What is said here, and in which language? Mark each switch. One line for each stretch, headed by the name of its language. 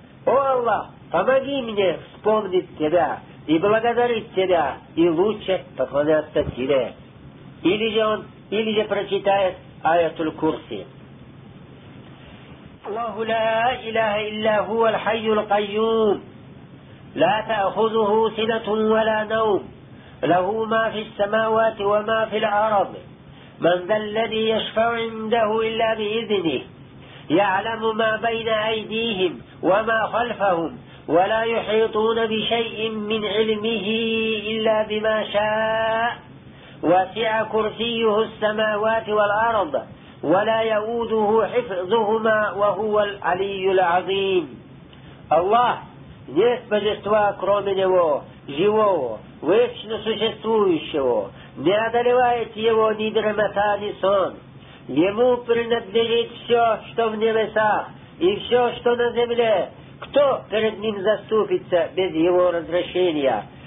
Russian: О Аллах, помоги мне вспомнить Тебя и благодарить Тебя и лучше поклоняться Тебе. Или же он, или же прочитает аятуль курси.
Arabic: Аллаху ла иляха илля хуа аль-хайюль кайюм. لا تأخذه سنة ولا نوم له ما في السماوات وما في الأرض من ذا الذي يشفع عنده إلا بإذنه يعلم ما بين أيديهم وما خلفهم ولا يحيطون بشيء من علمه إلا بما شاء وسع كرسيه السماوات والأرض ولا يؤوده حفظهما وهو العلي العظيم.
Russian: الله нет божества кроме него живого вечно существующего, не одолевает его ни дремота, ни сон. Ему принадлежит все, что в небесах, и все, что на земле. Кто перед ним заступится без его разрешения?